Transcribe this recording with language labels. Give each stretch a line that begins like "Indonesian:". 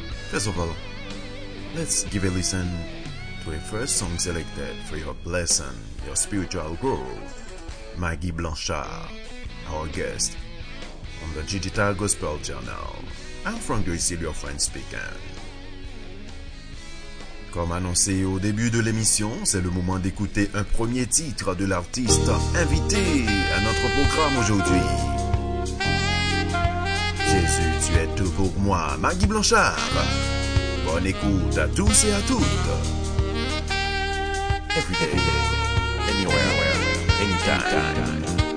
English: First of all, let's give a listen to a first song selected for your blessing, your spiritual growth. Maggie Blanchard, our guest on the Digital Gospel Journal. I'm Frank Gracie, your friend speaking.
French: Comme annoncé au début de l'émission, c'est le moment d'écouter un premier titre de l'artiste invité à notre programme aujourd'hui. Jésus, tu es tout pour moi, Maggie Blanchard. Bonne écoute à tous et à toutes.
English: Everyday, anywhere, anytime.